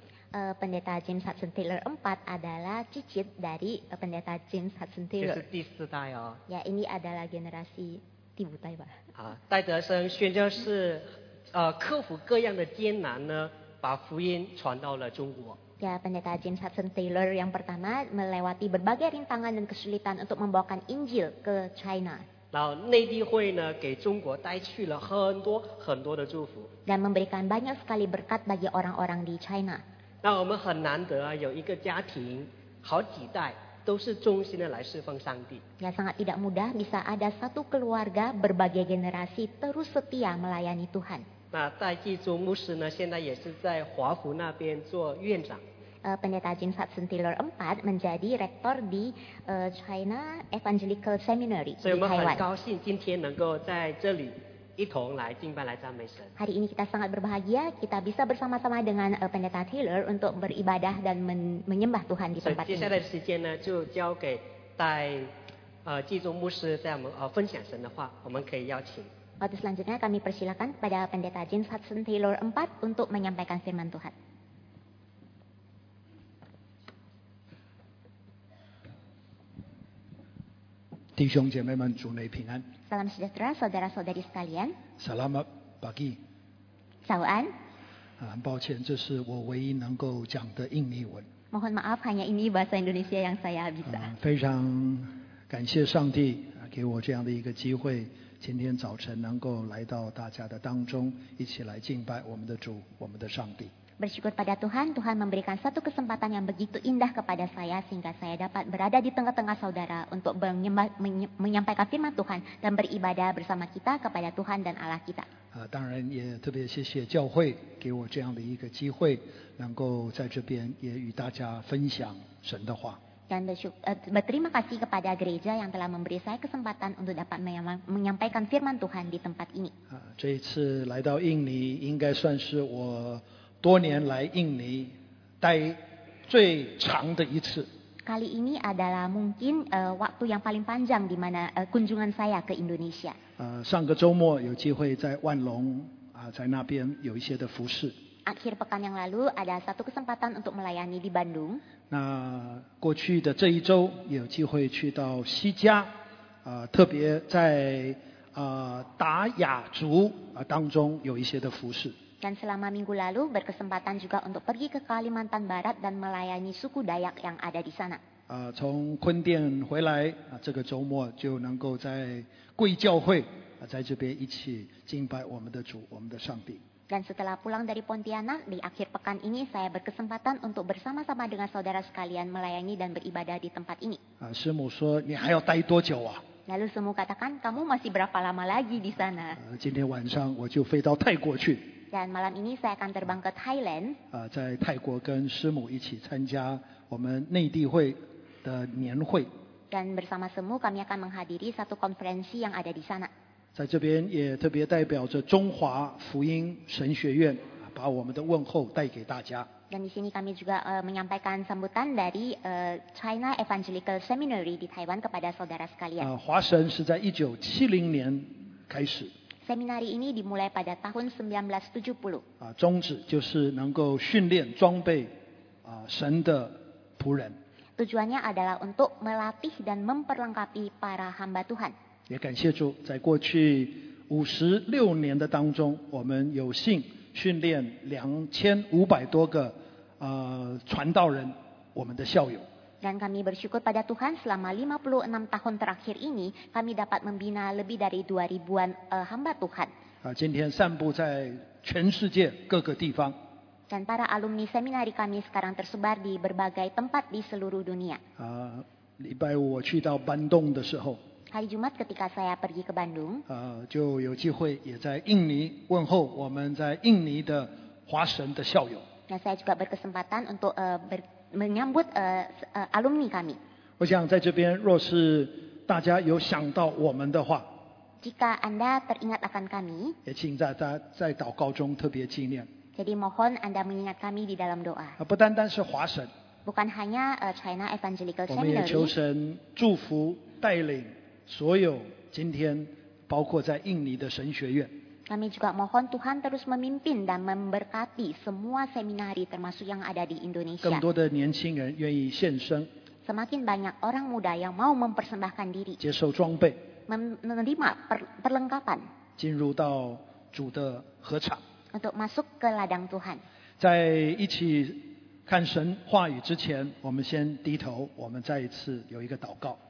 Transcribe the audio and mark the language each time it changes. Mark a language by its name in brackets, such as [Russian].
[Indonesian] Pendeta James Hudson Taylor IV adalah cicit dari Pendeta James Hudson Taylor. [Chinese] 这是第四代哦。 [Indonesian] Ya, ini adalah generasi [Chinese] 第五代吧。戴德生宣教士克服各样的艰难呢，把福音传到了中国。 [Indonesian] Ya, Pendeta James Hudson Taylor yang pertama melewati berbagai rintangan dan kesulitan untuk membawakan Injil ke China. [Chinese] 然后内地会呢，给中国带去了很多很多的祝福。 [Indonesian] Dan memberikan banyak sekali berkat bagi orang-orang di China. [Chinese] 那我们很难得有一个家庭好几代都是忠心的来侍奉上帝。 [Indonesian] Ya, sangat tidak mudah bisa ada satu keluarga berbagai generasi terus setia melayani Tuhan. [Chinese] 那戴季宗牧师呢现在也是在华福那边做院长。 [Indonesian] Pendeta James Hudson Taylor IV menjadi rektor di China Evangelical Seminary di Taiwan. [Chinese] 所以我们很高兴今天能够在这里一同来敬拜来赞美神。 [Indonesian] Hari ini kita sangat berbahagia kita bisa bersama-sama dengan Pendeta Taylor untuk beribadah dan menyembah Tuhan di tempat ini. [Chinese] 接下来的时间呢就交给戴季宗牧师在我们分享神的话，我们可以邀请。 [Indonesian] Waktu selanjutnya kami persilakan kepada Pendeta James Hudson Taylor IV untuk menyampaikan firman Tuhan. [Chinese] 弟兄姐妹们，主内平安。 [Indonesian] Salam sejahtera, saudara-saudari sekalian. Selamat pagi. Chào an. [Chinese] 很抱歉，这是我唯一能够讲的印尼文。 [Indonesian] Mohon maaf, hanya ini bahasa Indonesia yang saya bisa. [Chinese] 非常感谢上帝给我这样的一个机会，今天早晨能够来到大家的当中，一起来敬拜我们的主，我们的上帝。 [Indonesian] Bersyukur pada Tuhan, Tuhan memberikan satu kesempatan yang begitu indah kepada saya sehingga saya dapat berada di tengah-tengah saudara untuk menyampaikan firman Tuhan dan beribadah bersama kita kepada Tuhan dan Allah kita. [Chinese] 当然也特别谢谢教会给我这样的一个机会能够在这边也与大家分享神的话。 [Indonesian] Dan berterima kasih kepada gereja yang telah memberi saya kesempatan untuk dapat menyampaikan firman Tuhan di tempat ini. [Chinese] 这一次来到印尼应该算是我多年来印尼待最长的一次。 [Indonesian] Kali ini adalah mungkin waktu yang paling panjang di mana kunjungan saya ke Indonesia. [Chinese] 上个周末有机会在万隆在那边有一些的服事。 [Indonesian] Akhir pekan yang lalu ada satu kesempatan untuk melayani di Bandung. [Chinese] 那过去的这一周有机会去到西加特别在达雅族当中有一些的服事。 [Indonesian] Dan selama minggu lalu berkesempatan juga untuk pergi ke Kalimantan Barat dan melayani suku Dayak yang ada di sana. [Chinese] 从昆甸回来这个周末就能够在贵教会在这边一起敬拜我们的主我们的上帝。 [Indonesian] Dan setelah pulang dari Pontianak di akhir pekan ini saya berkesempatan untuk bersama-sama dengan saudara sekalian melayani dan beribadah di tempat ini. [Chinese] 师母说你还要待多久啊？ [Indonesian] Lalu semua katakan kamu masih berapa lama lagi di sana? [Chinese] 今天晚上我就飞到泰国去。 [Indonesian] Dan malam ini saya akan terbang ke Thailand. [Chinese] 在泰国跟师母一起参加我们内地会的年会。 [Indonesian] Dan bersama semu kami akan menghadiri satu konferensi yang ada di sana. [Chinese] 在这边也特别代表着中华福音神学院，把我们的问候带给大家。 [Indonesian] Dan di sini kami juga menyampaikan sambutan dari China Evangelical Seminary di Taiwan kepada saudara sekalian. [Chinese] 华神是在1970年开始。 [Indonesian] Seminari ini dimulai pada tahun 1970. [Chinese] 宗旨就是能够训练装备神的仆人。 [Indonesian] Tujuannya adalah untuk melatih dan memperlengkapi para hamba Tuhan. [Chinese] 也感谢主，在过去56年的当中，我们有幸训练2500多个传道人，我们的校友。 [Indonesian] Dan kami bersyukur pada Tuhan selama 56 tahun terakhir ini kami dapat membina lebih dari 2000-an hamba Tuhan. [Chinese] 今天散布在全世界各个地方。 [Indonesian] Dan para alumni seminari kami sekarang tersebar di berbagai tempat di seluruh dunia. [Chinese] 礼拜五我去到班洞的时候。 [Indonesian] Hari Jumat ketika saya pergi ke Bandung. [Chinese] 就有机会也在印尼问候我们在印尼的华神的校友。 [Indonesian] Dan saya juga berkesempatan untuk menyambut alumni kami. [Chinese] 我想在这边，若是大家有想到我们的话， [Indonesian] jika anda teringat akan kami， [Chinese] 也请在祷告中特别纪念。 [Indonesian] Jadi mohon anda mengingat kami di dalam doa。 [Chinese] 不单单是华神， [Indonesian] bukan hanya China Evangelical Seminary。 [Chinese] 我们也求神祝福带领所有今天包括在印尼的神学院。 [Indonesian] Kami juga mohon Tuhan terus memimpin dan memberkati semua seminari termasuk yang ada di Indonesia。 [Chinese] 更多的年轻人愿意献身。 [Indonesian] Semakin banyak orang muda yang mau mempersembahkan diri。 [Chinese] 接受装备。 [Indonesian] Menerima perlengkapan。 [Chinese] 进入到主的合场。 [Indonesian] Untuk masuk ke ladang Tuhan。 [Chinese] 在一起看神话语之前，我们先低头，我们再一次有一个祷告。